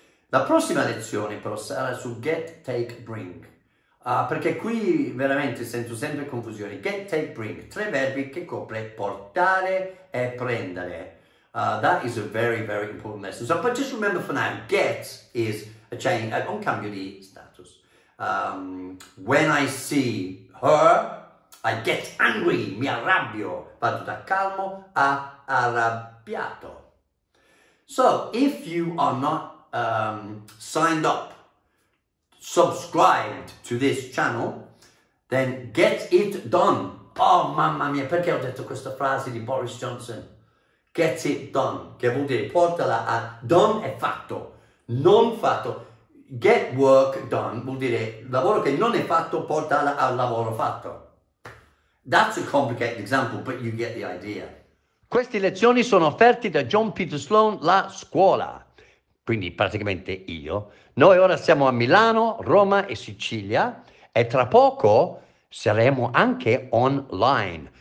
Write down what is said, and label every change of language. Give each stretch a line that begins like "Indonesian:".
Italian: La prossima lezione però sarà su get, take, bring. Perché qui veramente sento sempre confusione. Get, take, bring. Tre verbi che copre portare e prendere.
English: That is a very, very important lesson. So, but just remember for now, get is a change,
Italian: un cambio di status.
English: When I see her, I get angry,
Italian: mi arrabbio, vado da calmo a arrabbiato.
English: So, if you are not signed up, subscribed to this channel, then get it done.
Italian: Oh, mamma mia, perché ho detto questa frase di Boris Johnson?
English: Get it done,
Italian: che vuol dire portala a done è fatto, non fatto.
English: Get work done vuol dire lavoro che non è fatto, portala al lavoro fatto. That's a complicated example, but you get the idea.
Italian: Queste lezioni sono offerte da John Peter Sloan, la scuola. Quindi praticamente io. Noi ora siamo a Milano, Roma e Sicilia e tra poco saremo anche online.